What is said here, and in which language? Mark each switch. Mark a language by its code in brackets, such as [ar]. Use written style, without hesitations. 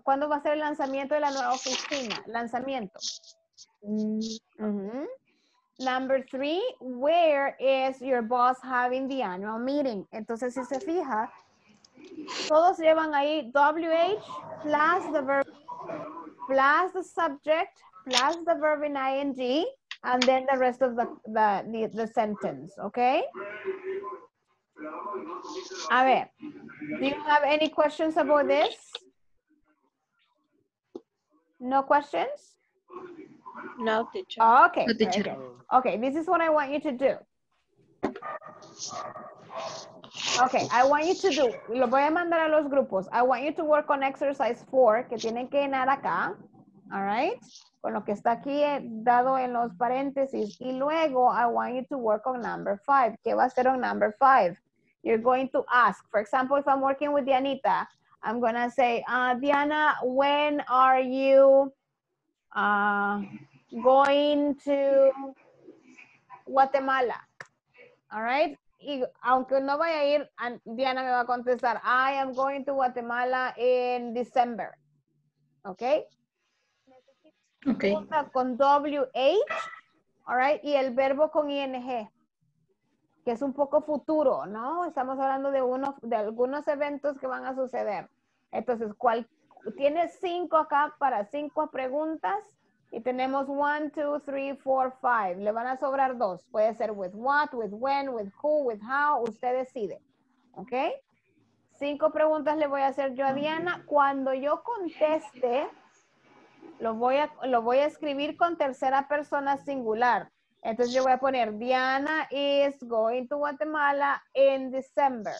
[es] ¿Cuándo va a ser el lanzamiento de la nueva oficina? Lanzamiento. Mm-hmm. [en] Number three, where is your boss having the annual meeting? [es] Entonces, si se fija, todos llevan ahí [en] WH plus the verb, plus the subject, plus the verb in ing, and then the rest of the sentence, okay? [es] A ver, [en] do you have any questions about this? No questions? No, teacher. Okay. No, teacher. Okay, this is what I want you to do. Okay, I want you to do, [es] lo voy a mandar a los grupos. [en] I want you to work on exercise 4, [es] que tienen que llenar acá, [en] all right? [es] Con lo que está aquí dado en los paréntesis. Y luego, [en] I want you to work on number 5. [es] ¿Qué va a ser [en] on number 5? You're going to ask. For example, if I'm working with Dianita, I'm going to say, Diana, when are you going to Guatemala? All right? [es] Y aunque no vaya a ir, Diana me va a contestar, [en] I am going to Guatemala in December. Okay? Okay. [es] Con [en] WH, all right? [es] Y el verbo con ING, que es un poco futuro, ¿no? Estamos hablando de uno, de algunos eventos que van a suceder. Entonces, ¿cuál? Tienes 5 acá para 5 preguntas y tenemos 1, 2, 3, 4, 5. Le van a sobrar 2. Puede ser [en] with what, with when, with who, with how. [es] Usted decide. ¿Ok? 5 preguntas le voy a hacer yo a Diana. Cuando yo conteste, lo voy a escribir con tercera persona singular. Entonces yo voy a poner, [en] Diana is going to Guatemala in December.